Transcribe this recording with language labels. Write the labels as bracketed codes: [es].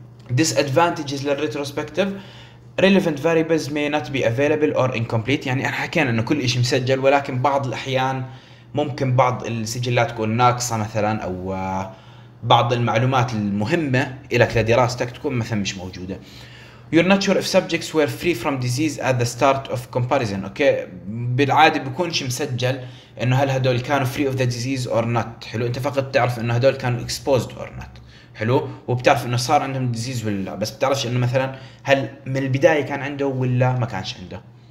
[en] disadvantages للريتروسبكتيف relevant variables may not be available or incomplete, [ar] يعني احنا حكينا انه كل شيء مسجل ولكن بعض الاحيان ممكن بعض السجلات تكون ناقصه مثلا او بعض المعلومات المهمه لك لدراستك تكون مثلا مش موجوده. [en] You're not sure if subjects were free from disease at the start of comparison. Okay. [ar] بالعادي بكونش مسجل انه هل هدول كانوا [en] free of the disease or not. [ar] حلو، انت فقط تعرف انه هدول كانوا [en] exposed or not. [ar] حلو، وبتعرف انه صار عندهم disease ولا لا، بس بتعرفش انه مثلا هل من البداية كان عنده ولا ما كانش عنده.